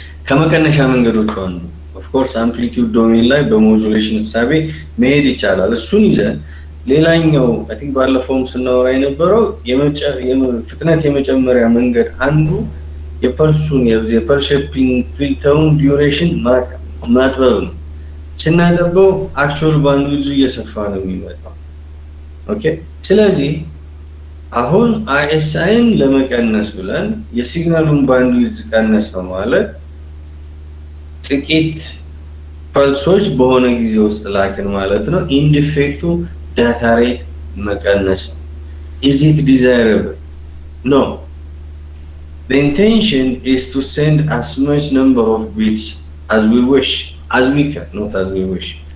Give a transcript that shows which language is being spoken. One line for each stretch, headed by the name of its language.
Amharic: ከመቀነሻ መንገዶች አንዱ ኦፍ ኮርስ አምፕሊቲዩድ ዶሜን ላይ በሞዱሌሽን ሳቤ መሄድ ይቻላል እሱን ይዘን ሌላኛው
English: አይ ቲንክ
Amharic: ባለፈውም ስናወራ የነበረው ፍጥነት የመጨመሪያ መንገድ አንዱ የፐልሱን የፐልስ ሼፒንግ ፊልተሩን ዲዩሬሽን ማጥበብ ነው ስናደርገው አክቹዋል ባንድዊድዙ እየሰፋ ነው የሚመጣው ኦኬ ስለዚህ አሁን ISIን ለመቀነስ ብለን የሲግናሉን ባንድዊድዝ ቀነስነው ማለት ጥቂት ፐልሶች በሆነ ጊዜ ውስጥ ላክን ማለት ነው። ኢንዲፌክቱ ዳታ ሬት መቀነስ ነው።
English: ኢዝ ኢት ዲዛይረብል? ኖ። The intention is to send as much number of bits as we wish, as we can, not as we wish.